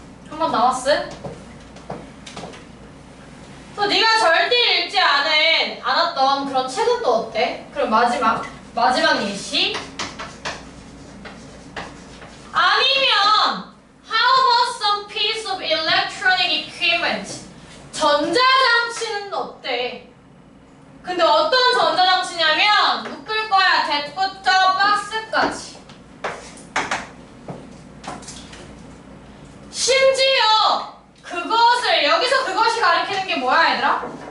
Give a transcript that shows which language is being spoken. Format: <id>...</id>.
<ko>한번 나왔어? 또 네가 절대 읽지 않은 않았던 그런 책은 또 어때? 그럼 마지막 예시. 아니면</ko> <en>How about some piece of electronic equipment?</en> <ko>전자장치는 어때? 근데 어떤 전자장치냐면 묶을 거야. 덱부터 박스까지. 심지어 그것을, 여기서 그것이 가리키는 게 뭐야, 얘들아?</ko>